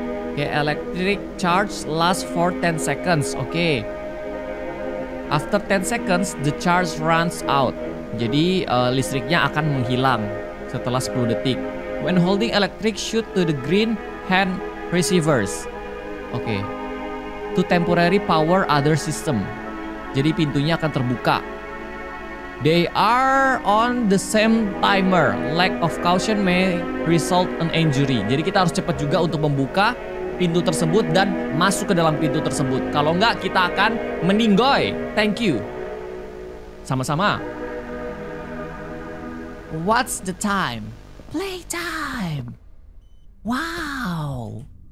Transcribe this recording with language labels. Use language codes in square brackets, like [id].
[en] Okay, electric charge lasts for 10 seconds. Okay. After 10 seconds, the charge runs out. [id] Jadi listriknya akan menghilang setelah 10 detik. [en] When holding electric, shoot to the green hand receivers. Okay. To temporary power other system. [id] Jadi pintunya akan terbuka. [en] They are on the same timer. Lack of caution may result an injury. [id] Jadi kita harus cepat juga untuk membuka pintu tersebut dan masuk ke dalam pintu tersebut. Kalau enggak kita akan meninggoy. [en] Thank you. [id] Sama-sama. [en] What's the time? Playtime. Wow.